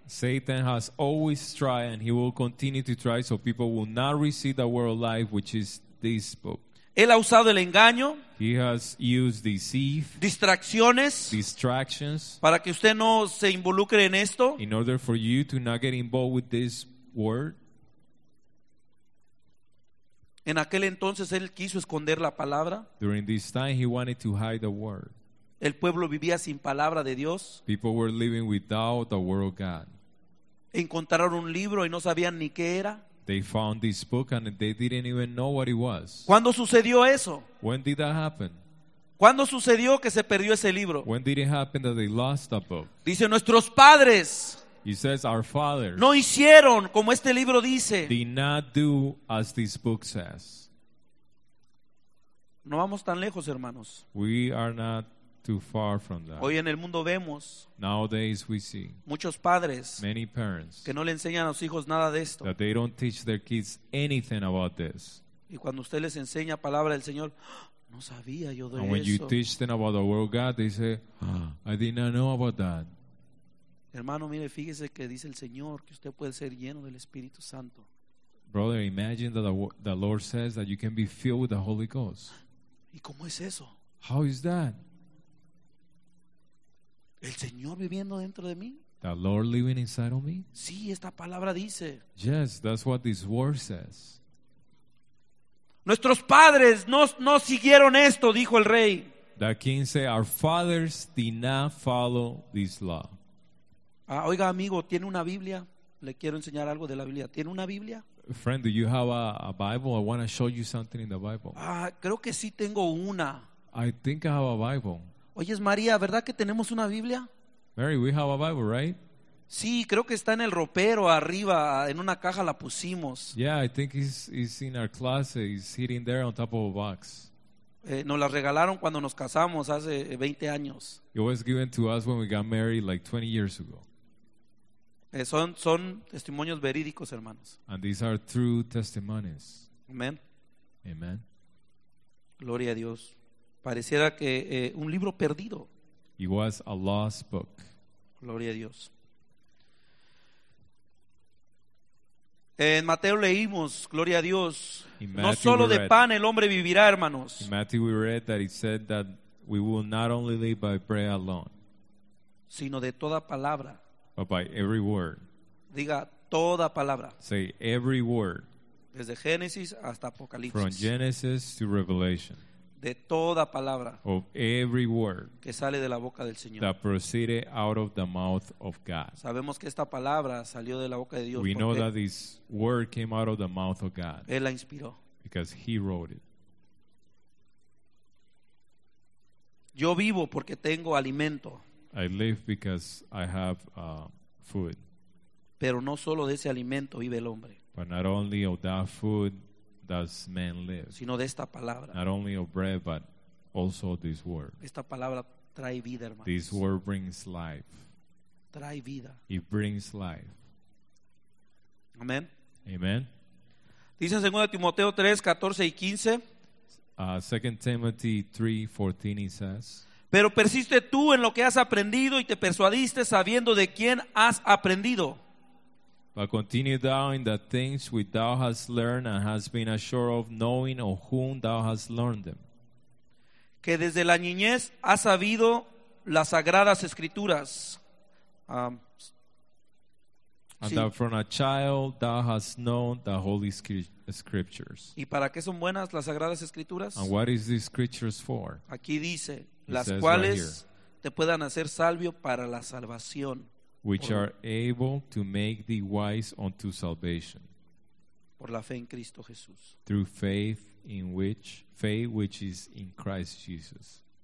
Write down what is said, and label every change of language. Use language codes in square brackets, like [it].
[en] Satan has always tried and he will continue to try so people will not receive the word of life which is this book. [es] Él ha usado el engaño. [en] He has used deceit. [es] Distracciones. [en] Distractions. [es] Para que usted no se involucre en esto. [en] In order for you to not get involved with this word. [es] En aquel entonces él quiso esconder la palabra. [en] During this time he wanted to hide the word. [es] El pueblo vivía sin palabra de Dios. [en] People were living without the word of God. [es] Encontraron un libro y no sabían ni qué era. [en] They found this book and they didn't even know what it was. [es] ¿Cuándo sucedió eso? [en] When did that happen? [es] ¿Cuándo sucedió que se perdió ese libro? [en] When did it happen that they lost that book? [es] Dice, nuestros padres. [en] He says, our fathers. [es] No hicieron como este libro dice. [en] Did not do as this book says. [es] No vamos tan lejos, hermanos. [en] We are not too far from that. [es] Hoy en el mundo vemos [en] nowadays we see [es] muchos padres, [en] many parents, [es] que no le enseñan a sus hijos nada de esto. [en] That they don't teach their kids anything about this. [es] Y cuando usted les enseña palabra del Señor, no sabía yo de [en] and [es] eso. [en] When you teach them about the word of God, they say, I did not know about that. [es] Hermano, mire, fíjese que dice el Señor que usted puede ser lleno del Espíritu Santo. [en] Brother, imagine that the Lord says that you can be filled with the Holy Ghost. [es] ¿Y cómo es eso? [en] How is that? [es] ¿El Señor viviendo dentro de mí? [en] The Lord living inside of me? [es] Sí, esta palabra dice. [en] Yes, that's what this word says. [es] Nuestros padres no siguieron esto, dijo el rey. [en] The king said, our fathers did not follow this law. [es] Ah, oiga, amigo, ¿tiene una Biblia? Le quiero enseñar algo de la Biblia. ¿Tiene una Biblia? [en] Friend, do you have a Bible? I want to show you something in the Bible. [es] Ah, creo que sí tengo una. [en] I think I have a Bible. [es] Oye, María, ¿verdad que tenemos una Biblia? [en] Mary, we have a Bible, right? [es] Sí, creo que está en el ropero arriba, en una caja la pusimos. [en] Yeah, I think he's in our closet. He's hidden there on top of a box. [es] Nos la regalaron cuando nos casamos hace 20 años. [en] It was given to us when we got married like 20 years ago. [es] Son testimonios verídicos, hermanos. [en] And these are true testimonies. [es] Amen. [en] Amen. [es] Gloria a Dios. Pareciera que un libro perdido. [en] It was a lost book. [es] Gloria a Dios. En Mateo leímos, gloria a Dios, no solo de pan el hombre vivirá, hermanos. [en] In Matthew we read that it said that we will not only live by bread alone, [es] sino de toda palabra. [en] But by every word. [es] Diga toda palabra. [en] Say every word. [es] Desde Génesis hasta Apocalipsis. [en] From Genesis to Revelation. [es] De toda palabra. [en] Of every word. [es] Que sale de la boca del Señor. [en] That proceeded out of the mouth of God. [es] Sabemos que esta palabra salió de la boca de Dios. [en] We know that this word came out of the mouth of God. [es] Él la inspiró. [en] Because he wrote it. [es] Yo vivo porque tengo alimento. [en] I live because I have food. [es] Pero no solo de ese alimento vive el hombre. [en] But not only of that food does man live. [es] Sino de esta palabra. [en] Not only of bread, but also this word. [es] Esta palabra trae vida, hermanos. [en] This word brings life. [es] Trae vida. [en] It brings life. [es] Amen. [en] Amen. [es] Dice en 2 Timoteo 3, 14 y 15. [en] 2 Timothy 3, 14, it says. [es] Pero persiste tú en lo que has aprendido y te persuadiste sabiendo de quién has aprendido. [en] But continue thou in the things which thou hast learned and hast been assured of, knowing of whom thou hast learned them. [es] Que desde la niñez has sabido las sagradas escrituras. [en] And sí. That from a child thou hast known the holy scriptures. [es] ¿Y para qué son buenas las sagradas escrituras? [en] And what is these scriptures for? [es] Aquí dice. Las cuales te puedan hacer sabio para la salvación. [en] Which are able to make thee wise unto salvation. [es] Por la fe en Cristo Jesús. [en] Through faith in which, faith which is in Christ Jesus.